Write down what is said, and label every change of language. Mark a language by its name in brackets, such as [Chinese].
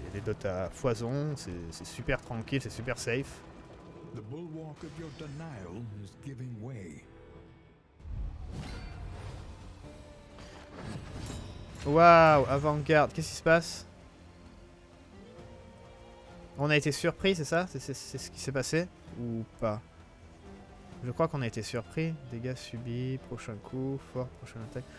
[French] Il y a des dots à foison, c'est super tranquille, c'est super safe. [English] The bulwark of your denial is giving way. [French] Waouh, avant-garde, qu'est-ce qui se passe? On a été surpris, c'est ça? C'est ce qui s'est passé? Ou pas? Je crois qu'on a été surpris. Dégâts subis, prochain coup, fort, prochaine attaque.